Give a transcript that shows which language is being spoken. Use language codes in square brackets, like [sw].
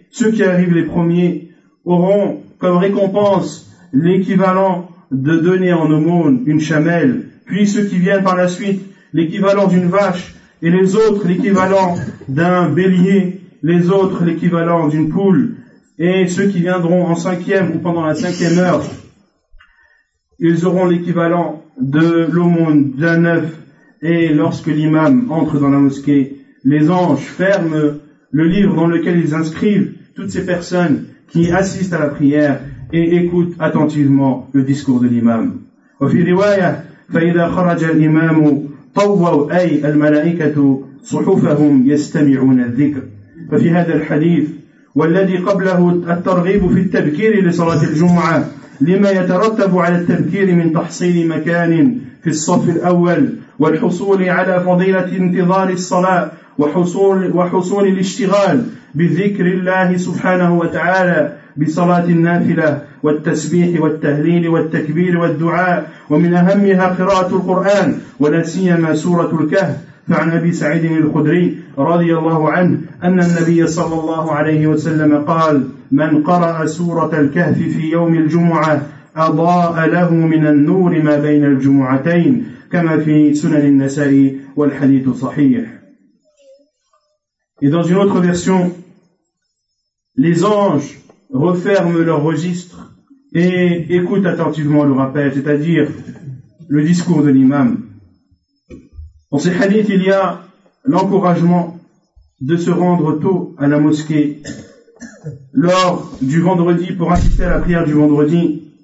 [fr] Ceux qui arrivent les premiers auront comme récompense l'équivalent de donner en aumône une chamelle, puis ceux qui viennent par la suite, l'équivalent d'une vache, et les autres l'équivalent d'un bélier, les autres l'équivalent d'une poule, et ceux qui viendront en cinquième ou pendant la cinquième heure, ils auront l'équivalent de l'aumône d'un œuf. Et lorsque l'imam entre dans la mosquée, les anges ferment le livre dans lequel ils inscrivent toutes ces personnes qui assistent à la prière et écoute attentivement le discours de l'imam. [ar] وفي رواية فإذا خرج الإمام طووا أي الملائكة صحفهم يستمعون الذكر. ففي هذا الحديث والذي قبله الترغيب في التبكير لصلاة الجمعة لما يترتب على التبكير من تحصيل مكان في الصف الأول والحصول على فضيلة انتظار الصلاة وحصول الاشتغال بذكر الله سبحانه وتعالى بصلاة النافلة والتسبيح والتهليل والتكبير والدعاء ومن أهمها قراءة القرآن ولا سيما سورة الكهف. فعن أبي سعيد الخدري رضي الله عنه أن النبي صلى الله عليه وسلم قال من قرأ سورة الكهف في يوم الجمعة أضاء له من النور ما بين الجمعتين كما في سنن النسائي والحديث صحيح. [fr] Et dans une autre version, les anges referment leur registre et écoute attentivement le rappel, c'est-à-dire le discours de l'imam. Dans ces hadiths, il y a l'encouragement de se rendre tôt à la mosquée lors du vendredi pour assister à la prière du vendredi.